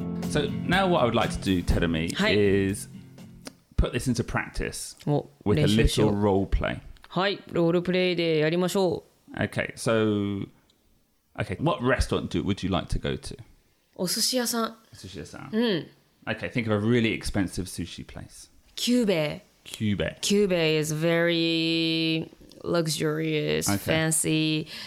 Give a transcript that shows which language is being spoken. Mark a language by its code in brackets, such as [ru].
[en] So now what I would like to do, Terumi, is put this into practice with a little role play. [ja] はい、ロールプレイでやりましょう。 [en] Okay, so okay, what restaurant would you like to go to? [ja] お寿司屋さん。お寿司屋さん。うん。 [en] Okay, think of a really expensive sushi place. Kyubey is very luxurious, okay. fancy.